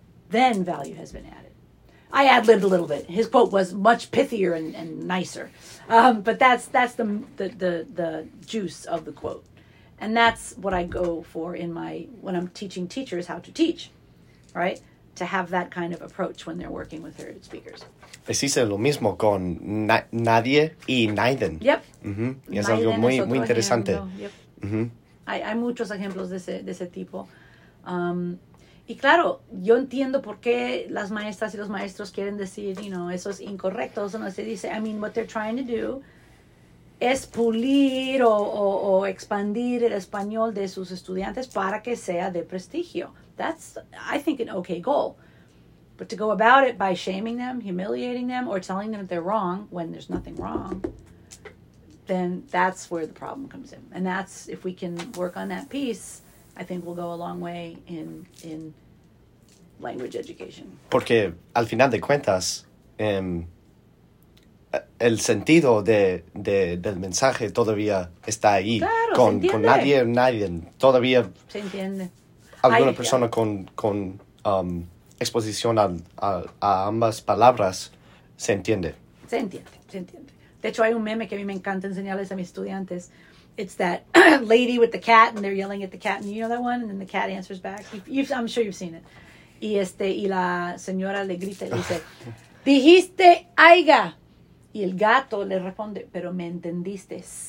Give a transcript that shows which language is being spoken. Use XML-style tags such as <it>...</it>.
<en>Then value has been added. I ad-libbed a little bit. His quote was much pithier and nicer. But that's the juice of the quote. And that's what I go for in my, when I'm teaching teachers how to teach, right? To have that kind of approach when they're working with heard speakers.</en> <es>Es hice lo mismo con nadie y naiden.</es> <en>Yep.</en> <es>Mm-hmm. Y es algo muy, muy interesante. Yep. Mm-hmm. Hay muchos ejemplos de ese tipo. Y claro, yo entiendo por qué las maestras y los maestros quieren decir,</es> <en>you know,</en> <es>eso es incorrecto, eso no se dice.</es> <en>I mean, what they're trying to do</en> <es>es pulir o expandir el español de sus estudiantes para que sea de prestigio.</es> <en>That's, I think, an okay goal. But to go about it by shaming them, humiliating them, or telling them that they're wrong when there's nothing wrong, then that's where the problem comes in. And that's, if we can work on that piece, I think we'll go a long way in language education.</en> <es>Porque al final de cuentas, el sentido del mensaje todavía está ahí. Claro, con nadie todavía. Se entiende. Alguna ay, persona</es> <en>yeah.</en> <es>con exposición a ambas palabras se entiende. Se entiende, se entiende. De hecho, hay un meme que a mí me encanta enseñarles a mis estudiantes.</es> <en>It's that lady with the cat, and they're yelling at the cat, and you know that one? And then the cat answers back. I'm sure you've seen it.</en> <es>Y y la señora le grita y le dice, dijiste aiga. Y el gato le responde, pero me entendiste.</es>